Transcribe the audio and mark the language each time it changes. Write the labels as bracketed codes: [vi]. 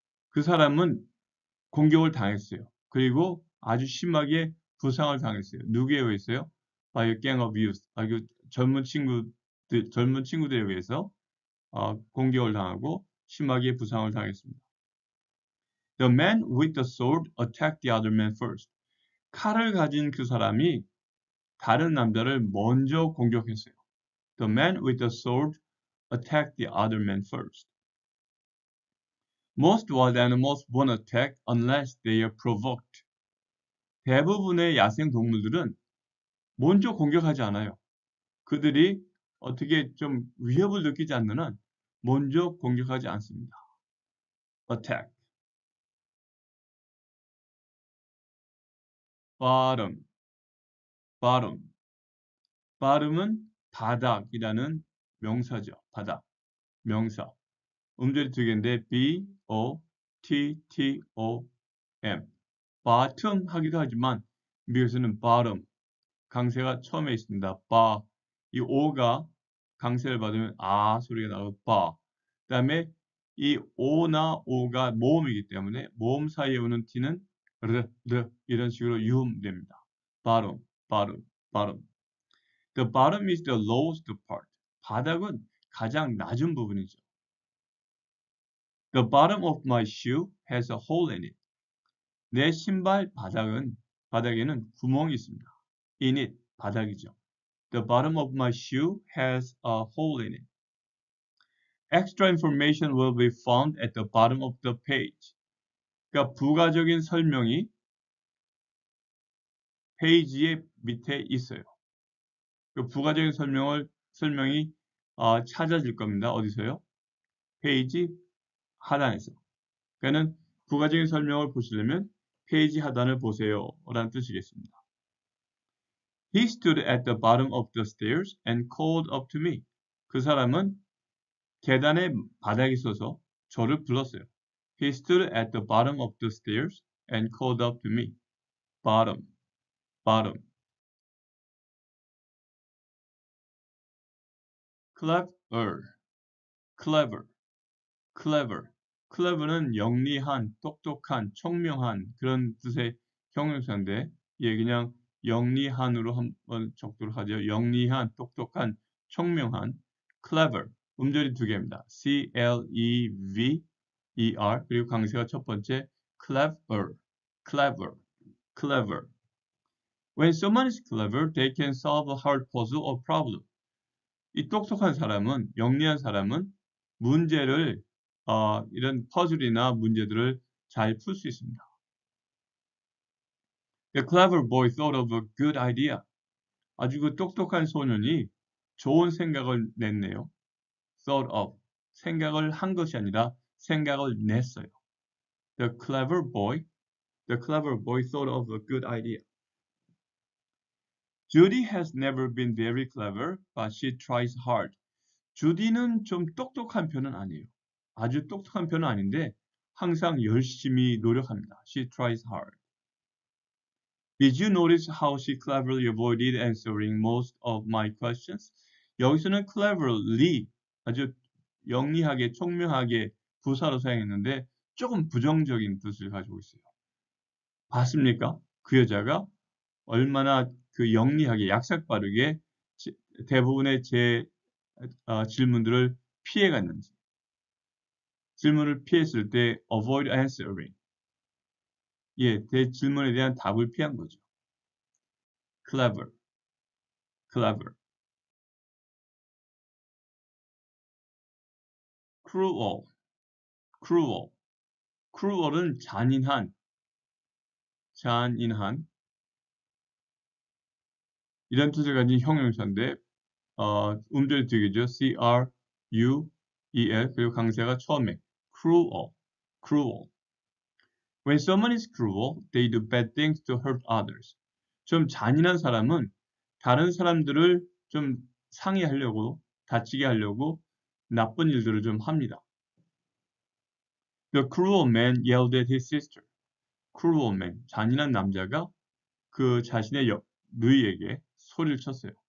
[ko] 그 사람은 공격을 당했어요. 그리고 아주 심하게 부상을 당했어요. 누구에 의해서요? [en] By a gang of youth. [ko] 아주 젊은 친구들에 의해서 공격을 당하고 심하게 부상을 당했습니다. [en] The man with the sword attacked the other man first. [ko] 칼을 가진 그 사람이 다른 남자를 먼저 공격했어요. The man with the sword attacked the other man first. [en] Most wild animals won't attack unless they are provoked. [ko] 대부분의 야생 동물들은 먼저 공격하지 않아요. 그들이 어떻게 좀 위협을 느끼지 않는 한 먼저 공격하지 않습니다. [en] Attack. [ko] Bottom. Bottom. Bottom은 바닥이라는 명사죠. 바닥. 명사. 음절이 두 개인데 B, O, T-T-O-M. Bottom 하기도 하지만 미국에서는 bottom 강세가 처음에 있습니다. 바이 O가 강세를 받으면 아 소리가 나고 바 그다음에 이 O나 O가 모음이기 때문에 모음 사이에 오는 T는 르르 이런 식으로 유음됩니다. [en] Bottom, bottom, bottom. The bottom is the lowest part. [ko] 바닥은 가장 낮은 부분이죠. [en] The bottom of my shoe has a hole in it. [ko] 내 신발 바닥에는 구멍이 있습니다. [en] In it, [ko] 바닥이죠. [en] The bottom of my shoe has a hole in it. Extra information will be found at the bottom of the page. [ko] 그러니까 부가적인 설명이 페이지의 밑에 있어요. 그 부가적인 설명을 설명이 찾아질 겁니다. 어디서요? 페이지 하단에서. 그러니까는 부가적인 설명을 보시려면 페이지 하단을 보세요. 라는 뜻이겠습니다. [en] He stood at the bottom of the stairs and called up to me. [ko] 그 사람은 계단의 바닥에 서서 저를 불렀어요. [en] He stood at the bottom of the stairs and called up to me. Bottom, bottom. Clever, clever, clever. [ko] Clever는 영리한, 똑똑한, 청명한 그런 뜻의 형용사인데, 예, 그냥 영리한으로 한번 적도록 하죠. 영리한, 똑똑한, 청명한. Clever. 음절이 두 개입니다. C-L-E-V-E-R. 그리고 강세가 첫 번째. Clever. Clever. Clever. [en] When someone is clever, they can solve a hard puzzle or problem. [ko] 이 똑똑한 사람은, 영리한 사람은 문제를, 이런 퍼즐이나 문제들을 잘풀수 있습니다. [en] The clever boy thought of a good idea. [ko] 아주 그 똑똑한 소년이 좋은 생각을 냈네요. [en] Thought of. [ko] 생각을 한 것이 아니라 생각을 냈어요. [en] The clever boy thought of a good idea. Judy has never been very clever, but she tries hard. [ko] 주디는 좀 똑똑한 편은 아니에요. 아주 똑똑한 편은 아닌데 항상 열심히 노력합니다. [en] She tries hard. Did you notice how she cleverly avoided answering most of my questions? [ko] 여기서는 cleverly, 아주 영리하게, 총명하게 부사로 사용했는데 조금 부정적인 뜻을 가지고 있어요. 봤습니까? 그 여자가 얼마나 그 영리하게, 약삭 빠르게 대부분의 제 질문들을 피해갔는지. 질문을 피했을 때 [en] avoid answering. [ko] 예, 제 질문에 대한 답을 피한 거죠. Clever, clever, cruel, cruel, cruel은 잔인한, 잔인한 이런 뜻을 가진 형용사인데, 음절이 되겠죠? C R U E L 그리고 강세가 처음에 cruel, cruel. [en] When someone is cruel, they do bad things to hurt others. [ko] 좀 잔인한 사람은 다른 사람들을 좀 상해하려고, 다치게 하려고 나쁜 일들을 좀 합니다. [en] The cruel man yelled at his sister. Cruel man, [ko] 잔인한 남자가 그 자신의 누이에게 소리를 쳤어요.